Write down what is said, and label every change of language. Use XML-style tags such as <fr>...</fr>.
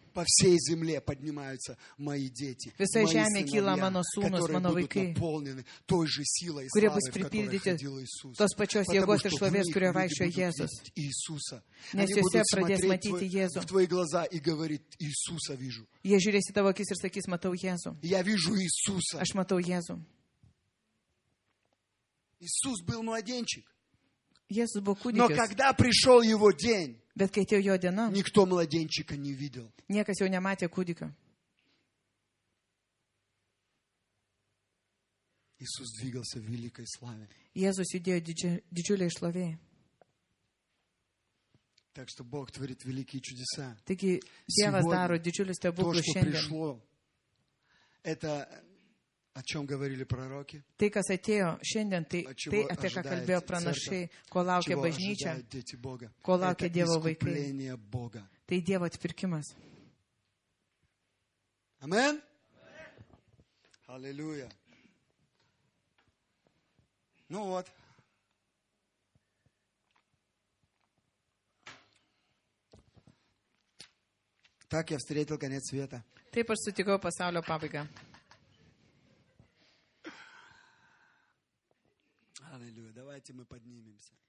<ru>По всей земле поднимаются мои дети.</ru> <lt>Visai žemė kyla mano sūnus, mano vaikai.</lt> <ru>Наполнены той же силой и славой, в которой ходил Иисус.</ru> <lt>Tos pačios jėgos ir šlovės, kurioje vaikščiojo Jėzus.</lt> <ru>Иисуса.</ru> <lt>Nes jose pradės matyti Jėzų.</lt> <ru>В твои глаза и говорит: Иисуса вижу.</ru> <lt>Jie žiūrės į tavo akis ir sakys: matau Jėzų.</lt> <ru>Я вижу Иисуса.</ru> <lt>Aš matau Jėzų.</lt> <ru>Иисус был младенчик.</ru> <lt>Jėzus buvo kūdikis.</lt> <ru>Но когда пришел его день,</ru> <lt>bet kai atėjo jo diena,</lt> <ru>никто младенчика не видел.</ru> <lt>Niekas jau nematė kūdikio.</lt> <ru>Иисус двигался в великой славе.</ru> <lt>Jėzus judėjo didžiulėje šlovėje.</lt> <ru>Так что Бог творит великие чудеса.</ru> <lt>Taigi Dievas daro didžiulius stebuklus</lt> <ru>šiandien. То, что пришло, это о чем говорили пророки.</ru> <lt>Tai, kas atėjo šiandien, tai apie ką kalbėjo pranašai, ko laukia bažnyčia, ko laukia Dievo вайкай. Tai Dievo atpirkimas.</lt> <ru>Amen. Аллилуйя. Ну вот. Так я встретил конец света.</ru> <lt>Taip aš sutikau pasaulio pabaigą.</lt> <ru>Аллилуйя. Давайте мы поднимемся.</ru>